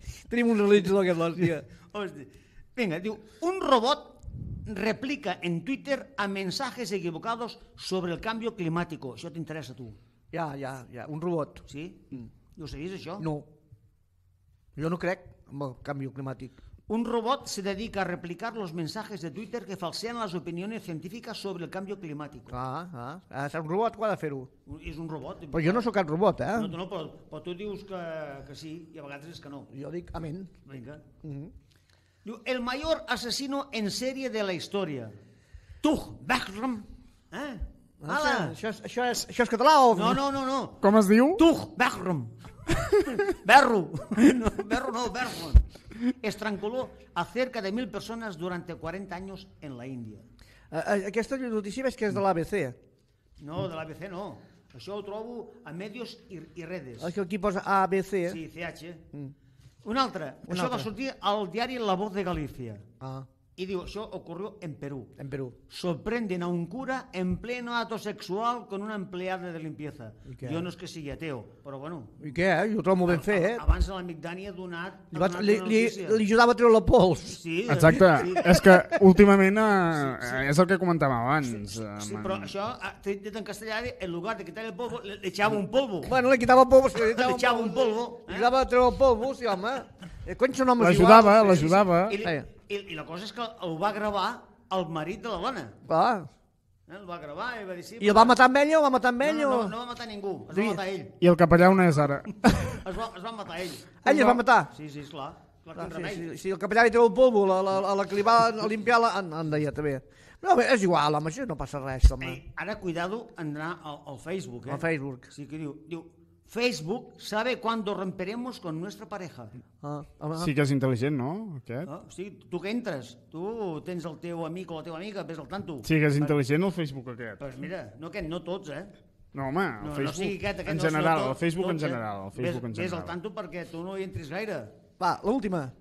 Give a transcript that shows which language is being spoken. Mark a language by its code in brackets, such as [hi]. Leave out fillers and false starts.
[ca] Tenim un realitzador aquest, l'hòstia. [es] Vinga, diu, un robot replica en Twitter a mensajes equivocados sobre el canvi climàtic. [ca] Això t'interessa a tu. Ja, un robot. Sí? I ho sabies, això? No. Jo no crec en el canvi climàtic. [es] Un robot se dedica a replicar los mensajes de Twitter que falsean las opiniones científicas sobre el cambio climático. [ca] Ah, és un robot que ha de fer-ho. És un robot. Però jo no sóc cap robot, eh? No, però tu dius que sí i a vegades és que no. Jo dic amén. Vinga. [es] Diu, el mayor asesino en serie de la historia. [ca] Tuch, Bertram. Hala. Això és català o... No. Com es diu? Tuch, Bertram. Berro. Bertram. [es] Estranguló a cerca de 1000 persones [ca] durant [es] 40 anys en la Índia. [ca] Aquesta notícia veig que és de l'ABC. No, de l'ABC no. Això ho trobo a Medios i Redes. És que aquí posa ABC. Sí, CH. Una altra. Va sortir al diari La Voz de Galícia. Ah. I diu, això ocorreu en Perú. En Perú. [es] Sorprenden a un cura en pleno acto sexual con una empleada de limpieza. [ca] Jo no és que sigui ateo, però bueno. I què? Jo trobo ben fet. Abans l'amic Dani ha donat... Li ajudava a treure la pols. Sí. Exacte. Sí. És que últimament és el que comentava abans. Sí, però això, dit en castellà, en lloc de [es] quitar el polvo, [ca] li [es] echava un polvo. [ca] Bueno, li [es] quitava polvo. [ca] Li [es] echava un polvo. [ca] Li ajudava a treure el polvo, sí, home. Cony, són homes iguals. L'ajudava. I la cosa és que ho va gravar el marit de la dona. Clar. El va gravar i va dir... Sí, i el va matar amb ella o va matar amb ella? No, o... no va matar ningú, es va matar ell. I el capellà on és ara? Es va matar ell. Ell es va matar? Sí, esclar. Si el capellà li treu el polvo, la que li va limpiar la... Andaia, també. No, bé, és igual, home, això no passa res. Home. Ei, ara, cuidado, andrà al Facebook. Al Facebook. Sí, que diu [es] Facebook sabe cuándo romperemos con nuestra pareja. [ca] Sí que és intel·ligent, no? Aquest. Sí, tu que entres, tu tens el teu amic o la teva amiga, ves al tanto. Sí que és intel·ligent el Facebook aquest. Pues mira, no aquest, no tots, eh? No, home, el Facebook en general. Ves al tanto perquè tu no hi entris gaire. Va, l'última.